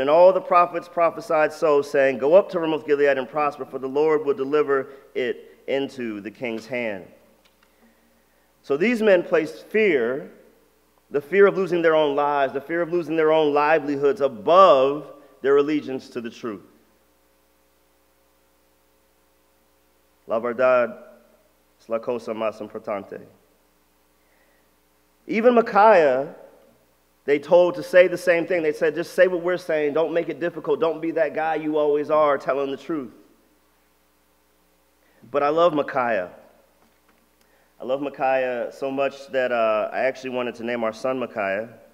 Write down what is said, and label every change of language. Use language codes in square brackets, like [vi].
[en] And all the prophets prophesied so, saying, 'Go up to Ramoth Gilead and prosper, for the Lord will deliver it into the king's hand.'" So these men placed fear, the fear of losing their own lives, the fear of losing their own livelihoods, above their allegiance to the truth. [es] La verdad es la cosa más importante. [en] Even Micaiah, they told to say the same thing. They said, "Just say what we're saying. Don't make it difficult. Don't be that guy you always are telling the truth." But I love Micaiah. I love Micaiah so much that I actually wanted to name our son Micaiah.